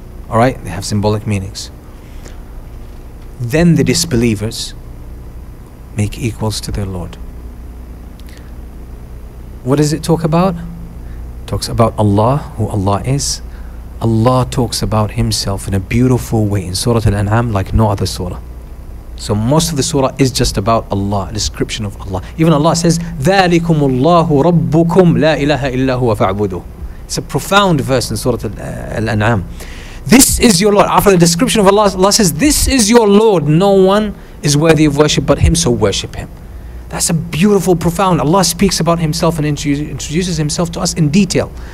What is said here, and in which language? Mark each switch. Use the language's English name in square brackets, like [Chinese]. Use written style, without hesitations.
[English] All right, they have symbolic meanings. Then the disbelievers make equals to their Lord. What does it talk about? It talks about Allah, who Allah is. Allah talks about Himself in a beautiful way in Surah Al-An'am like no other surah. So most of the surah is just about Allah, a description of Allah. Even Allah says, [Arabic] ذَلِكُمُ اللَّهُ رَبُّكُمْ لَا إِلَهَ إِلَّا هُوَ فَاعْبُدُهُ. [English] It's a profound verse in Surah Al-An'am. This is your Lord. After the description of Allah, Allah says, this is your Lord. No one is worthy of worship but Him, so worship Him. That's a beautiful, profound. Allah speaks about himself and introduces himself to us in detail.